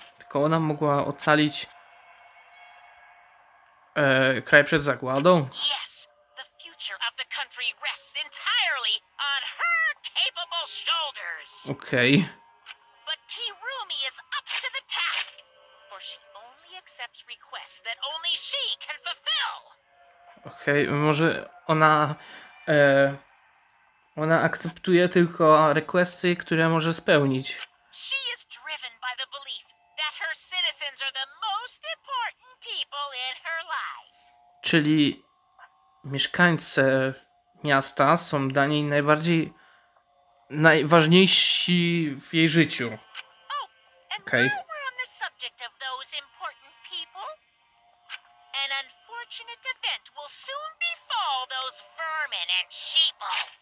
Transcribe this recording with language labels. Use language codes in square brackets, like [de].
[pl] Tylko ona mogła ocalić kraj przed zagładą? [en] Yes, the future of the country rests entirely on her capable shoulders. Okay. But Kirumi is up to the task, for she only accepts requests that only she can fulfill. [pl] Okay, może ona ona akceptuje tylko requesty, które może spełnić. [en] She is driven by the belief that her citizens are the most important people in her life. [pl] Czyli mieszkańcy miasta są dla niej najważniejsi w jej życiu. [en] Oh, and okay. Now we're on the subject of those important people. An unfortunate event will soon befall those vermin and sheeple.